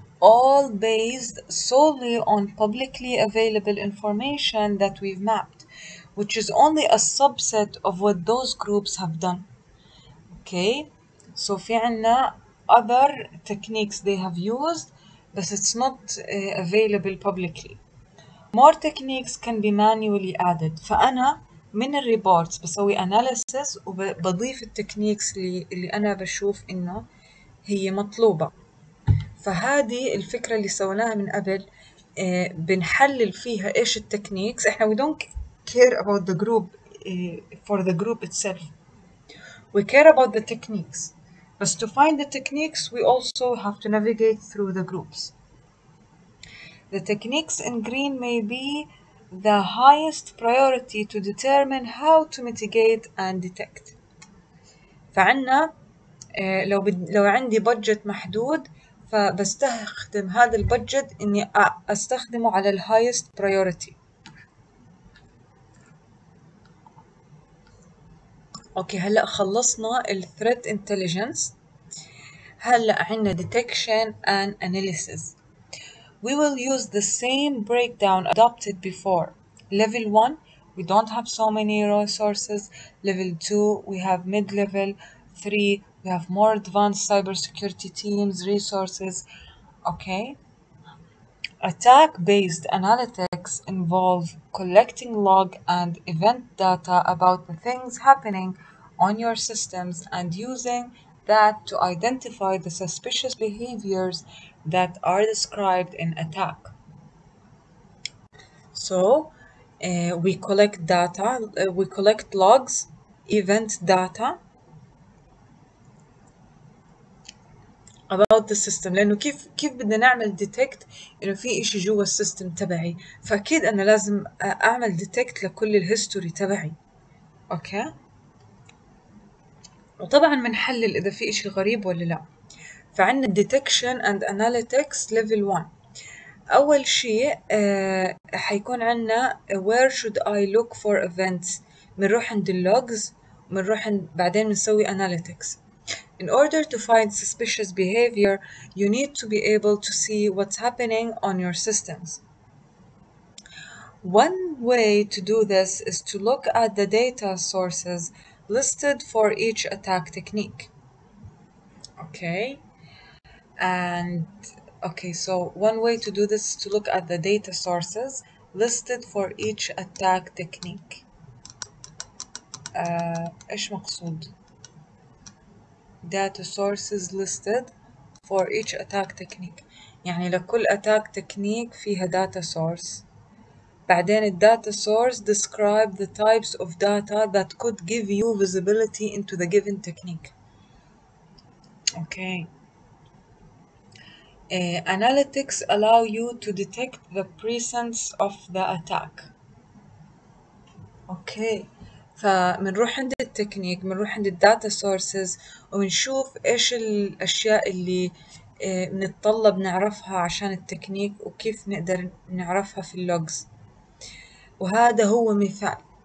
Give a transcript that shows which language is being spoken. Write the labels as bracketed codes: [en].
[en] All based solely on publicly available information that we've mapped, which is only a subset of what those groups have done. Okay, so [ar] في عنا [en] other techniques they have used, but it's not available publicly. More techniques can be manually added. [ar] فأنا من الريبورتس بسوي analysis وبضيف التكنيكس اللي أنا بشوف إنه هي مطلوبة. فهذه الفكرة اللي سويناها من قبل، بنحلل فيها إيش التكنيكس. إحنا [en] we don't care about the group for the group itself. We care about the techniques. But to find the techniques, we also have to navigate through the groups. The techniques in green may be the highest priority to determine how to mitigate and detect. [ar] فعنا لو عندي budget محدود، فبستخدم هذا البادجت إني أستخدمه على الـ highest priority. أوكي هلأ خلصنا الـ threat intelligence. هلأ عنا [en] detection and analysis. We will use the same breakdown adopted before. Level 1, we don't have so many resources. Level 2, we have mid-level. 3, we have more advanced cybersecurity teams, resources. Okay. Attack-based analytics involve collecting log and event data about the things happening on your systems and using that to identify the suspicious behaviors that are described in attack. So, we collect data, we collect logs, event data about the system. [ar] لأنه كيف بدنا نعمل detect إنه في إشي جوا السيستم تبعي، فأكيد أنا لازم أعمل detect لكل الهيستوري تبعي. أوكي؟ وطبعاً بنحلل إذا في إشي غريب ولا لأ. فعندنا [en] detection and analytics level 1. [ar] أول شيء حيكون عندنا [en] where should I look for events. [ar] منروح عند logs، منروح بعدين منسوي analytics. [en] In order to find suspicious behavior, you need to be able to see what's happening on your systems. One way to do this is to look at the data sources listed for each attack technique. Okay. And okay, so one way to do this is to look at the data sources listed for each attack technique. [ar] إيش مقصود؟ [en] Data sources listed for each attack technique. [ar] يعني لكل attack technique فيها data source. [en] بعدين the data source describe the types of data that could give you visibility into the given technique. Okay. Analytics allow you to detect the presence of the attack. Okay. [ar] فمنروح عند التكنيك، منروح عند الداتا سورسز، ومنشوف ايش الاشياء اللي منتطلب نعرفها عشان التكنيك، وكيف نقدر نعرفها في اللوجز. وهذا هو مثال.